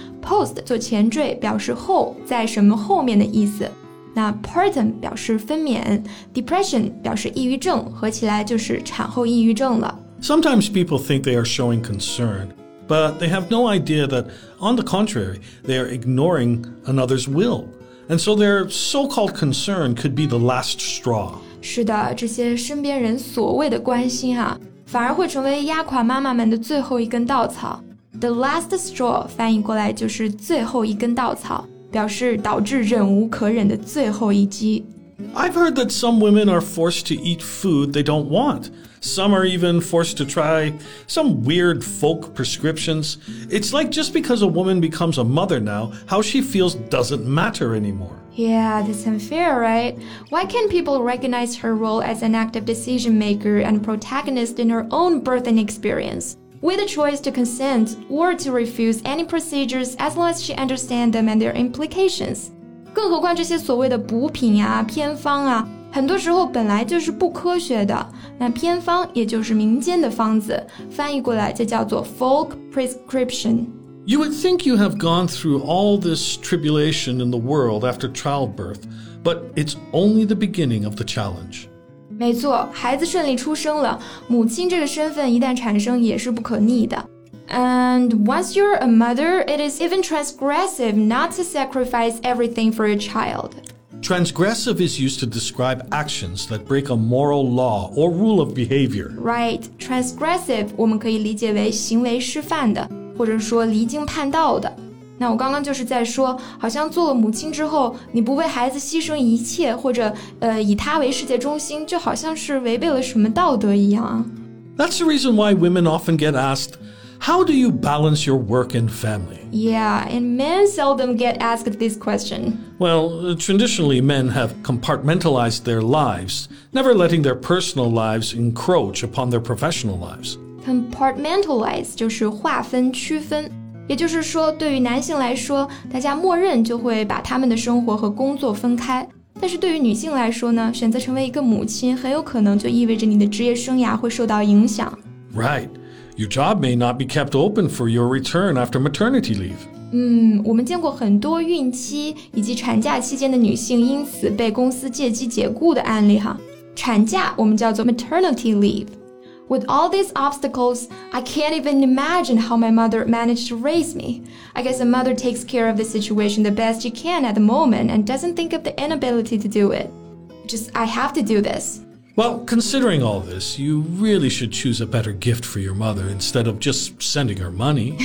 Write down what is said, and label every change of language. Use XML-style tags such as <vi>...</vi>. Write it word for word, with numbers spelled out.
<zh>Post 做前缀，表示后，在什么后面的意思。那 partum 表示分娩 ，depression 表示抑郁症，合起来就是产后抑郁症了。</zh> <en>Sometimes people think they are showing concern, but they have no idea that, on the contrary, they are ignoring another's will. And so their so-called concern could be the last straw.</en> <zh>是的，这些身边人所谓的关心啊，反而会成为压垮妈妈们的最后一根稻草。</zh> <en>The last straw</en> <zh>翻译过来就是最后一根稻草，表示导致忍无可忍的最后一击。</zh> <en>I've heard that some women are forced to eat food they don't want. Some are even forced to try some weird folk prescriptions. It's like just because a woman becomes a mother now, how she feels doesn't matter anymore. Yeah, that's unfair, right? Why can't people recognize her role as an active decision maker and protagonist in her own birthing experience? With a choice to consent or to refuse any procedures as long as she understands them and their implications.</en> <zh>更何况这些所谓的补品啊、偏方啊很多时候本来就是不科学的，那偏方也就是民间的方子，翻译过来就叫做 folk prescription.</zh> <en>You would think you have gone through all this tribulation in the world after childbirth, but it's only the beginning of the challenge.</en> <zh>没错，孩子顺利出生了，母亲这个身份一旦产生也是不可逆的。</zh> <en>And once you're a mother, it is even transgressive not to sacrifice everything for your child. Transgressive is used to describe actions that break a moral law or rule of behavior. Right,</en> <zh>transgressive 我们可以理解为行为失范的，或者说离经叛道的。那我刚刚就是在说，好像做了母亲之后，你不为孩子牺牲一切，或者呃以他为世界中心，就好像是违背了什么道德一样啊。</zh> <en>That's the reason why women often get asked. How do you balance your work and family? Yeah, and men seldom get asked this question. Well, traditionally men have compartmentalized their lives, never letting their personal lives encroach upon their professional lives.</en> <zh>Compartmentalize 就是划分区分，也就是说对于男性来说，大家默认就会把他们的生活和工作分开。但是对于女性来说呢，选择成为一个母亲，很有可能就意味着你的职业生涯会受到影响。</zh> <en>Right. Your job may not be kept open for your return after maternity leave.</en> <zh>嗯，我们见过很多孕期以及产假期间的女性因此被公司借机解雇的案例哈。产假我们叫做 maternity leave.</zh> <en>With all these obstacles, I can't even imagine how my mother managed to raise me. I guess a mother takes care of the situation the best she can at the moment and doesn't think of the inability to do it. Just, I have to do this. Well, considering all this, you really should choose a better gift for your mother instead of just sending her money.</en>